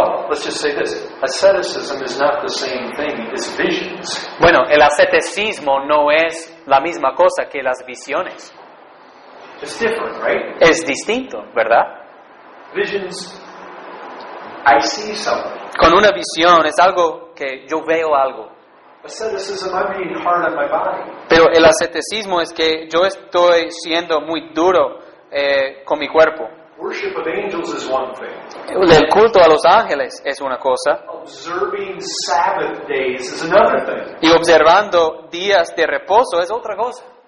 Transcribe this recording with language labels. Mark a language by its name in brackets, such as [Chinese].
[English] Let's just say this. Asceticism is not the same thing as visions. [Spanish] Bueno, el asceticismo no es la misma cosa que las visiones. [English] It's different, right? [Spanish] Es distinto, ¿verdad? [English] Visions, I see something. [Spanish] Con una visión es algo que yo veo algo. [English] Asceticism, I'm being hard on my body. [Spanish] Pero el asceticismo es que yo estoy siendo muy duro con mi cuerpo. [English] Worship of angels is one thing. [Spanish] El culto a los ángeles es una cosa. [English] Observing Sabbath days is another thing. [Spanish] Y observando días de reposo es otra cosa.